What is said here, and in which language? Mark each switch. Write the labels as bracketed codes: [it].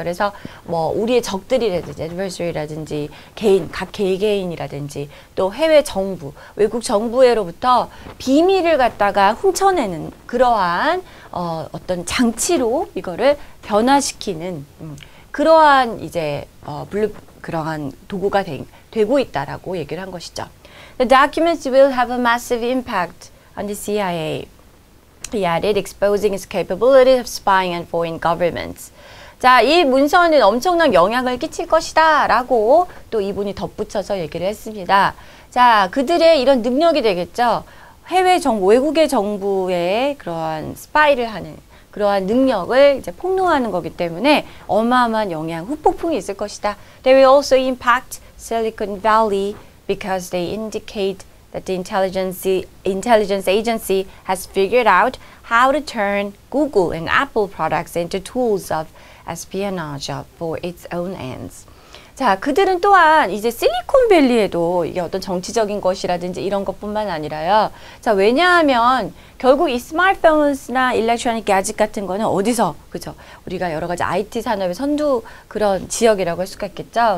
[ko] 그래서 뭐 우리의 적들이라든지 adversary라든지 개인, 각 개개인이라든지 또 해외 정부, 외국 정부에로부터 비밀을 갖다가 훔쳐내는 그러한 어떤 장치로 이거를 변화시키는 그러한 이제 그러한 도구가 되고 있다라고 얘기를 한 것이죠. [en] The documents will have a massive impact on the CIA. He added, exposing its capability of spying on foreign governments. [ko] 자, 이 문서는 엄청난 영향을 끼칠 것이다 라고 또 이분이 덧붙여서 얘기를 했습니다. 자, 그들의 이런 능력이 되겠죠. 해외 정부, 외국의 정부의 그러한 스파이를 하는 그러한 능력을 이제 폭로하는 거기 때문에 어마어마한 영향, 후폭풍이 있을 것이다. [en] They will also impact Silicon Valley. Because they indicate that the intelligence agency has figured out how to turn Google and Apple products into tools of espionage for its own ends. [ko] 자, 그들은 또한 이제 실리콘밸리에도 이게 어떤 정치적인 것이라든지 이런 것뿐만 아니라요. 자, 왜냐하면 결국 이 스마트폰이나 일렉트로닉 가짓 같은 거는 어디서, 그죠? 우리가 여러 가지 IT 산업의 선두 그런 지역이라고 할 수가 있겠죠.